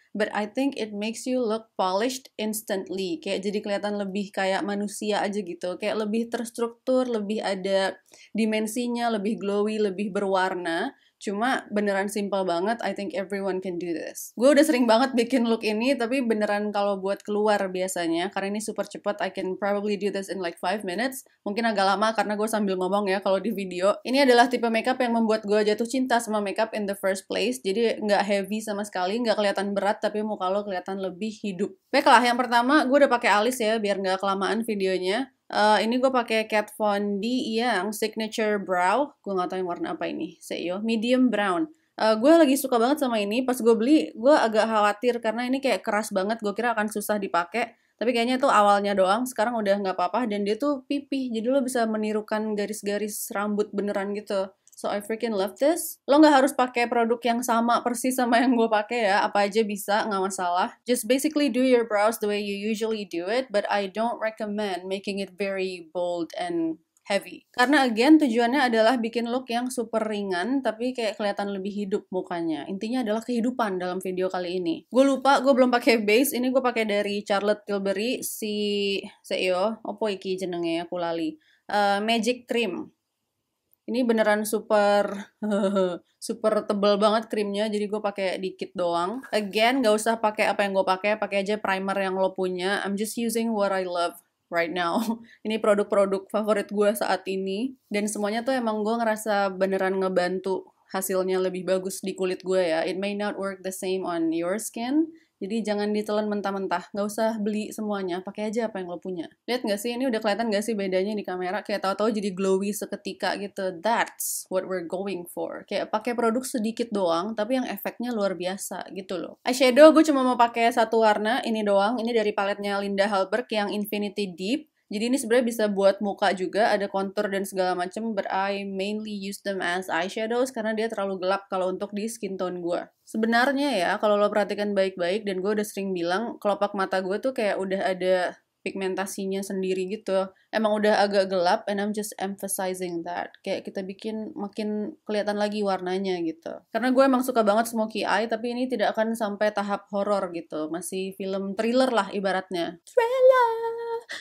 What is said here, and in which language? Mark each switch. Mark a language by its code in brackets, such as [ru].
[en] But I think it makes you look polished instantly. [id] Kayak jadi kelihatan lebih kayak manusia aja gitu. Kayak lebih terstruktur, lebih ada dimensinya, lebih glowy, lebih berwarna. Cuma beneran simple banget, [en] I think everyone can do this. [id] Gue udah sering banget bikin look ini, tapi beneran kalau buat keluar biasanya, karena ini super cepet, [en] I can probably do this in like 5 minutes. [id] Mungkin agak lama karena gue sambil ngomong ya kalau di video. Ini adalah tipe makeup yang membuat gue jatuh cinta sama makeup [en] in the first place. [id] Jadi nggak heavy sama sekali, nggak kelihatan berat, tapi muka lo kelihatan lebih hidup. Baiklah, yang pertama gue udah pakai alis ya, biar nggak kelamaan videonya. Ini gue pakai Kat Von D yang Signature Brow. Gue gak tau yang warna apa ini. Seyo, medium brown. Gue lagi suka banget sama ini. Pas gue beli, gue agak khawatir karena ini kayak keras banget. Gue kira akan susah dipakai. Tapi kayaknya itu awalnya doang. Sekarang udah gak apa-apa. Dan dia tuh pipih. Jadi lo bisa menirukan garis-garis rambut beneran gitu. [en] So I freaking love this. [id] Lo gak harus pakai produk yang sama persis sama yang gue pakai ya. Apa aja bisa, gak masalah. [en] Just basically do your brows the way you usually do it. But I don't recommend making it very bold and heavy. [id] Karena again, tujuannya adalah bikin look yang super ringan. Tapi kayak kelihatan lebih hidup mukanya. Intinya adalah kehidupan dalam video kali ini. Gue lupa, gue belum pakai base. Ini gue pakai dari Charlotte Tilbury. [jv] Si CEO, opo iki jenengnya ya, kulali. Magic Cream. [id] Ini beneran super super tebel banget krimnya, jadi gue pakai dikit doang. Again, gak usah pakai apa yang gue pakai aja primer yang lo punya. [en] I'm just using what I love right now. [id] Ini produk-produk favorit gue saat ini, dan semuanya tuh emang gue ngerasa beneran ngebantu hasilnya lebih bagus di kulit gue ya. [en] It may not work the same on your skin. [id] Jadi jangan ditelan mentah-mentah, nggak usah beli semuanya, pakai aja apa yang lo punya. Lihat nggak sih, ini udah kelihatan nggak sih bedanya di kamera? Kayak tahu-tahu jadi glowy seketika gitu. [en] That's what we're going for. [id] Kayak pakai produk sedikit doang, tapi yang efeknya luar biasa gitu loh. Eyeshadow gue cuma mau pakai satu warna, ini doang. Ini dari paletnya Linda Halberg yang Infinity Deep. Jadi ini sebenarnya bisa buat muka juga, ada contour dan segala macam. [en] But I mainly use them as eyeshadows [id] karena dia terlalu gelap kalau untuk di skin tone gue. Sebenarnya ya, kalau lo perhatikan baik-baik, dan gue udah sering bilang, kelopak mata gue tuh kayak udah ada pigmentasinya sendiri gitu. Emang udah agak gelap, [en] and I'm just emphasizing that. [id] Kayak kita bikin makin kelihatan lagi warnanya gitu. Karena gue emang suka banget smoky eye, tapi ini tidak akan sampai tahap horror gitu. Masih film thriller lah ibaratnya. Thriller!